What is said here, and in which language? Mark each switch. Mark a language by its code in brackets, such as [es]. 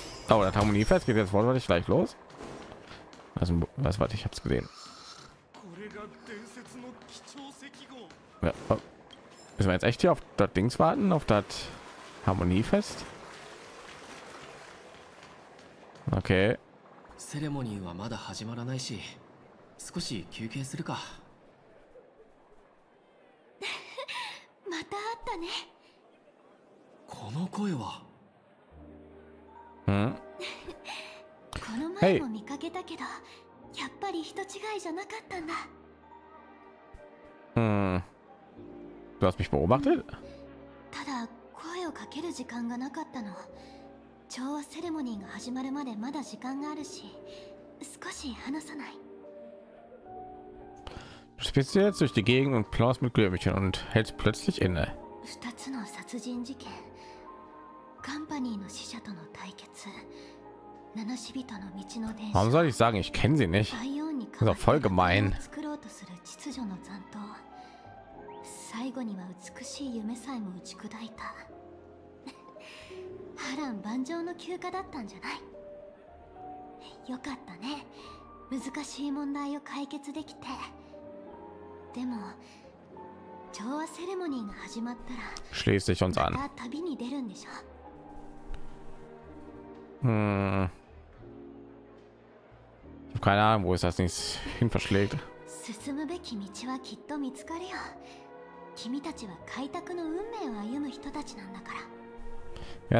[de] Oh, das Harmoniefest geht jetzt wortwörtlich gleich los. Also, was warte, ich hab's gesehen. Ja, oh. Müssen wir jetzt echt hier auf das Dings warten, auf das Harmoniefest? Okay. [ja] セレモニーはまだ始まらないし、少し休憩するか。また会ったね。この声は。うん。この前も見かけたけど、hey. やっぱり人違いじゃなかったんだ。 [de] Du hast mich beobachtet? [ja] ただ声をかける時間がなかったの。調和セレモニーが始まるまでまだ時間があるし、少し話さない。 [de] Speziell durch die Gegend und plaust mit Glöbchen und hält plötzlich inne. [ja] 二つの殺人事件、カンパニーの死者との対決、七死人の道の伝承。 [de] Warum soll ich sagen, ich kenne sie nicht? Das ist doch voll gemein. [ja] 作ろうとする秩序の残党。最後には美しい夢さえも打ち砕いた。波乱万丈の休暇だったんじゃない。よかったね。難しい問題を解決できて。でも、調和セレモニーが始まったら、 [de] schließ dich uns an。 [ja] 旅に出るんでしょ。 [de] Ich habe keine Ahnung, wo es das nicht hin verschlägt. [ja] 進むべき道はきっと見つかるよ。君たちは開拓の運命を歩む人たちなんだから。